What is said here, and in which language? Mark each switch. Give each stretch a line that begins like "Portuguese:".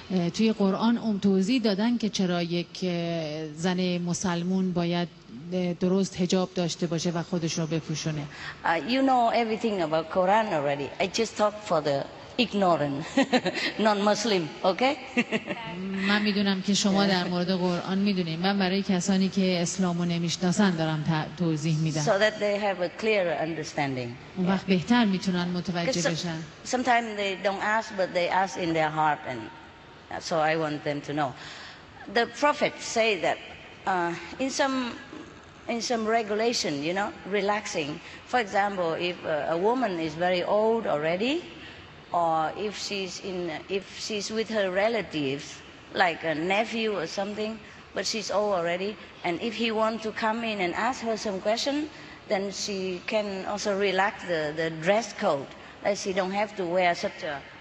Persian: توی قرآن توضیح دادن که چرا یک زن مسلمون باید درست حجاب داشته باشه و خودش رو بپوشونه.
English: You know everything about Quran already. I just talk for the ignorant non-Muslim, okay?
Persian: من میدونم که شما در مورد قرآن میدونید. من برای کسانی که اسلامو نمیشناسن دارم توضیح میدم.
English: So that they have a clearer understanding.
Persian: اون وقت بهتر میتونن متوجه بشن.
English: Sometimes they don't ask but they ask in their heart and so I want them to know. The Prophet say that in some regulation, you know, relaxing. For example, if a woman is very old already, or if she's with her relatives, like a nephew or something, but she's old already, and if he want to come in and ask her some question, then she can also relax the dress code, that she don't have to wear such a